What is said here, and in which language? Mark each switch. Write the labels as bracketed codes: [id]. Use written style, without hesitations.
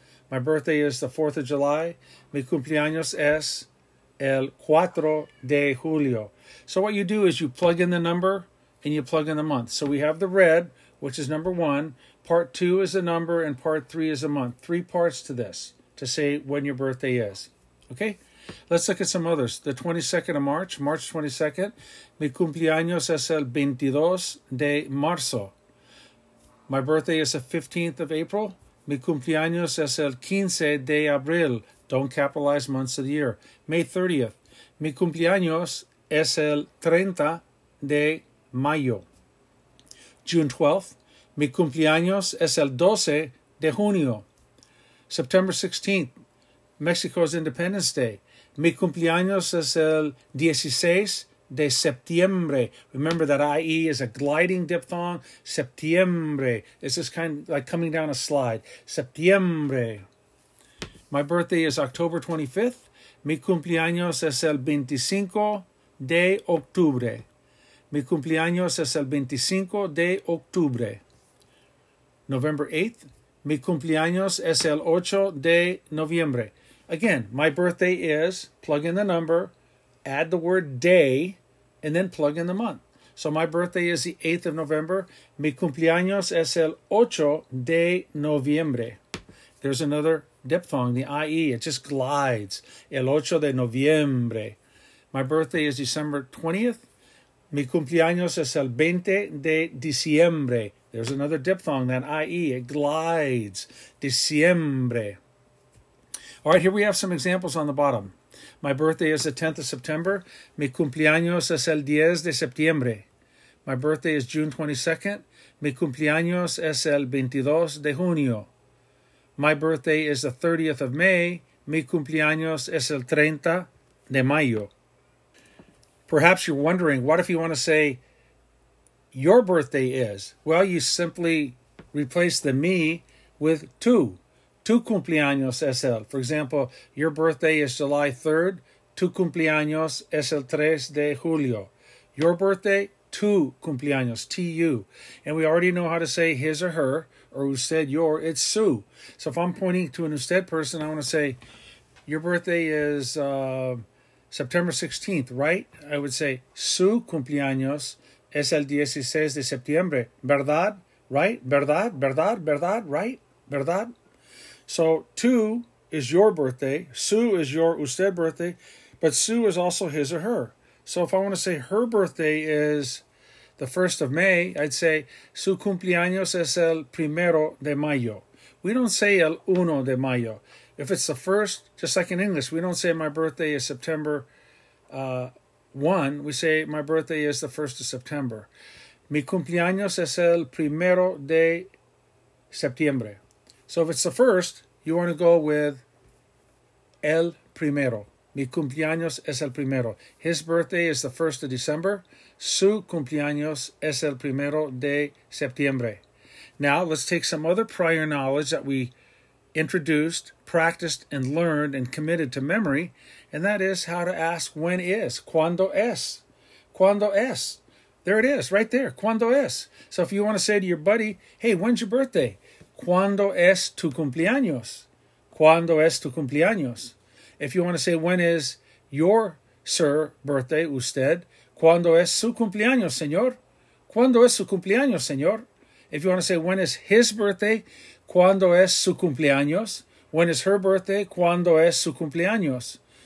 [en] My birthday is the 4th of July, [es] mi cumpleaños es el 4 de julio. [en] So what you do is you plug in the number and you plug in the month. So we have the red, which is number one. Part two is a number, and part three is a month. Three parts to this to say when your birthday is. Okay? Let's look at some others. The 22nd of March, March 22nd. [es] Mi cumpleaños es el 22 de marzo. [en] My birthday is the 15th of April. [es] Mi cumpleaños es el 15 de abril. [en] Don't capitalize months of the year. May 30th. [es] Mi cumpleaños es el 30 de mayo. [en] June 12th, [es] mi cumpleaños es el 12 de junio. [en] September 16th, Mexico's Independence Day. [es] Mi cumpleaños es el 16 de septiembre. [en] Remember that IE is a gliding diphthong. Septiembre is just kind of like coming down a slide. Septiembre. My birthday is October 25th. [es] Mi cumpleaños es el 25 de octubre. Mi cumpleaños es el 25 de octubre. [en] November 8th. [es] Mi cumpleaños es el 8 de noviembre. [en] Again, my birthday is, plug in the number, add the word day, and then plug in the month. So my birthday is the 8th of November. [es] Mi cumpleaños es el 8 de noviembre. [en] There's another diphthong, the IE. It just glides. [es] El 8 de noviembre. [en] My birthday is December 20th. [es] Mi cumpleaños es el 20 de diciembre. [en] There's another diphthong, that IE, it glides. Diciembre. All right, here we have some examples on the bottom. My birthday is the 10th of September. [es] Mi cumpleaños es el 10 de septiembre. [en] My birthday is June 22nd. [es] Mi cumpleaños es el 22 de junio. [en] My birthday is the 30th of May. [es] Mi cumpleaños es el 30 de mayo. [en] Perhaps you're wondering, what if you want to say your birthday is? Well, you simply replace the mi with tu. [es] Tu cumpleaños es el. [en] For example, your birthday is July 3rd. [es] Tu cumpleaños es el 3 de julio. [en] Your birthday, [es] tu cumpleaños, [en] T-U. And we already know how to say his or her, or who said your, it's su. So if I'm pointing to an usted person, I want to say your birthday is September 16th, right? I would say, [es] su cumpleaños es el 16 de septiembre. ¿Verdad? [en] Right? [es] ¿Verdad? ¿Verdad? ¿Verdad? Right? ¿Verdad? [en] So, tu is your birthday. Su is your usted birthday. But su is also his or her. So, if I want to say her birthday is the 1st of May, I'd say, [es] su cumpleaños es el primero de mayo. [en] We don't say [es] el uno de mayo. [en] If it's the first, just like in English, we don't say my birthday is September 1. We say my birthday is the 1st of September. [es] Mi cumpleaños es el primero de septiembre. [en] So if it's the first, you want to go with [es] el primero. Mi cumpleaños es el primero. [en] His birthday is the 1st of December. [es] Su cumpleaños es el primero de septiembre. [en] Now let's take some other prior knowledge that we introduced, practiced, and learned, and committed to memory, and that is how to ask when is. [es] ¿Cuándo es? ¿Cuándo es? There it is, right there. ¿Cuándo es? [en] So if you want to say to your buddy, hey, when's your birthday? [es] ¿Cuándo es tu cumpleaños? ¿Cuándo es tu cumpleaños? [en] If you want to say, when is your, sir, birthday, usted? [es] ¿Cuándo es su cumpleaños, señor? ¿Cuándo es su cumpleaños, señor? [en] If you want to say, when is his birthday? [es] ¿Cuándo es su cumpleaños? [en] When is her birthday? [es] ¿Cuándo es su cumpleaños?